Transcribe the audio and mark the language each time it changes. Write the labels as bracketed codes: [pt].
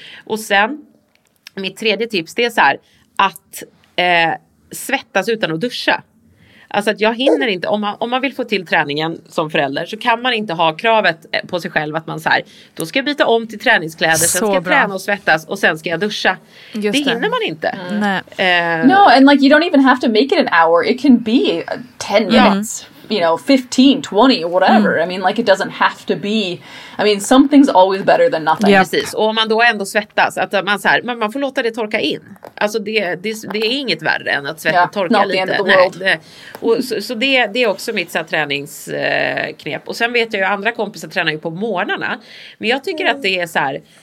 [sv] Och sen, mitt tredje tips, det är så här, att svettas utan att duscha. Alltså att jag hinner inte. Om man vill få till träningen som förälder, så kan man inte ha kravet på sig själv att man så här, då ska jag byta om till träningskläder, så sen ska jag träna och svettas och sen ska jag duscha. Just det hinner man inte. [en] And like, you don't even have to make it an hour. It can be 10 minutes. You know, 15, 20, whatever. I mean, like, it doesn't have to be... I mean, something's always better than nothing. [sv] Yep. Precis. Och om man då ändå svettas, att man så här, man får låta det torka in. Alltså, det är inget värre än att svettet torkar lite. [en] Not the end of the world. [sv] Det är också mitt så här träningsknep. Och sen vet jag ju, andra kompisar tränar ju på morgnarna. Men jag tycker att det är så här...